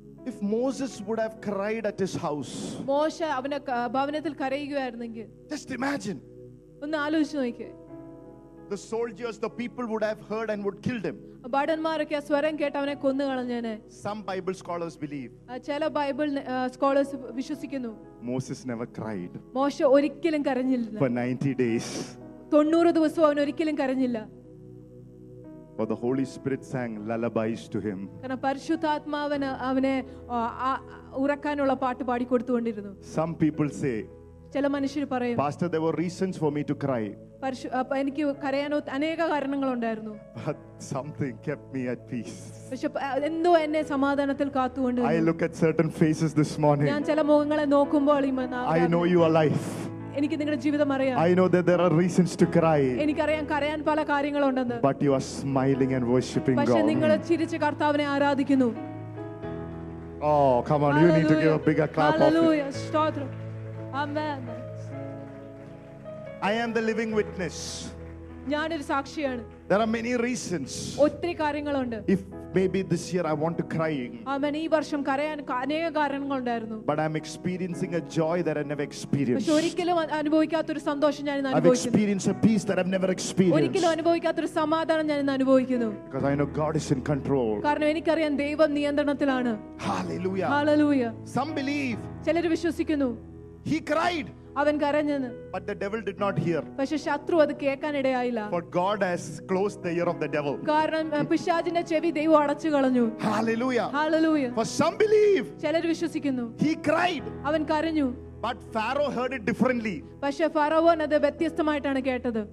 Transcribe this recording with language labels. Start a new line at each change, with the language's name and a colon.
English: If Moses would have cried at his house.
Malayalam: Moshe avane bhavanathil karayugayirunnengil.
English: Just imagine.
Malayalam: Onnu aalochichu nokke.
English: The soldiers, the people would have heard and would killed him.
Malayalam: ബാഡന്മാരൊക്കെ സ്വരം കേട്ട് അവനെ കൊന്നുകളഞ്ഞേനെ.
English: Some Bible scholars believe.
Malayalam: ചില Bible scholars വിശ്വസിക്കുന്നു.
English: Moses never cried.
Malayalam: മോശ ഒരിക്കലും കരഞ്ഞില്ല.
English: For 90 days.
Malayalam: 90 ദിവസം അവൻ ഒരിക്കലും കരഞ്ഞില്ല.
English: For the Holy Spirit sang lullabies to him.
Malayalam: കാരണം പരിശുദ്ധാത്മാവ് അവനെ ഉറക്കാനുള്ള പാട്ട് പാടിക്കൊടുത്തുകൊണ്ടിരുന്നു.
English: Some people say.
Malayalam: ചില മനുഷ്യർ പറയും.
English: Pastor, there were reasons for me to cry.
Malayalam: എനിക്ക് കരയാനോ അനേക കാരണങ്ങൾ ഉണ്ടായിരുന്നു.
English: Something kept me at peace.
Malayalam: എന്തോ എന്നെ സമാധാനത്തിൽ കാത്തുകൊണ്ട്.
English: I look at certain faces this morning.
Malayalam: ഞാൻ ചില മുഖങ്ങളെ നോക്കുമ്പോൾ
English: I know you are life.
Malayalam: എനിക്ക് നിങ്ങളുടെ ജീവിതം അറിയാം.
English: I know that there are reasons to cry.
Malayalam: എനിക്കറിയാം കരയാൻ പല കാര്യങ്ങളുണ്ടെന്ന്.
English: But you are smiling and worshiping God.
Malayalam: പക്ഷേ നിങ്ങൾ ചിരിച്ച് കർത്താവിനെ ആരാധിക്കുന്നു.
English: Oh, come on. Hallelujah. You need to give a bigger clap. Hallelujah. Stotram. Amen. I am the living witness.
Malayalam: ഞാൻ ഒരു സാക്ഷിയാണ്.
English: There are many reasons.
Malayalam: ഒത്തിരി കാര്യങ്ങളുണ്ട്.
English: If maybe this year I want to crying.
Malayalam: അമ്മ ഈ വർഷം കരയാൻ അനേക കാരണങ്ങൾ ഉണ്ടായിരുന്നു.
English: But I am experiencing a joy that I never experienced.
Malayalam: പക്ഷേ ഒരിക്കലും അനുഭവിക്കാത്ത ഒരു സന്തോഷം ഞാൻ അനുഭവിക്കുന്നു.
English: I've experienced a peace that I've never experienced.
Malayalam: ഒരിക്കലും അനുഭവിക്കാത്ത ഒരു സമാധാനം ഞാൻ അനുഭവിക്കുന്നു.
English: Because I know God is in control.
Malayalam: കാരണം എനിക്കറിയാം ദൈവം നിയന്ത്രണത്തിലാണ്.
English: Hallelujah. Hallelujah. Some believe.
Malayalam: ചിലർ വിശ്വസിക്കുന്നു.
English: He cried.
Malayalam: അവൻ കരഞ്ഞു.
English: But the devil did not hear.
Malayalam: പക്ഷേ ശത്രു അത് കേൾക്കാൻ ഇടയായില്ല.
English: For God has closed the ear of the devil.
Malayalam: കാരണം പിശാചിന്റെ ചെവി ദൈവം അടച്ചു കളഞ്ഞു.
English: Hallelujah. Hallelujah. For some believe.
Malayalam: ചിലർ വിശ്വസിക്കുന്നു.
English: He cried.
Malayalam: അവൻ കരഞ്ഞു.
English: But Pharaoh heard it differently.
Malayalam: പക്ഷേ ഫറവോൻ അത് വ്യത്യസ്തമായിട്ടാണ് കേട്ടത്.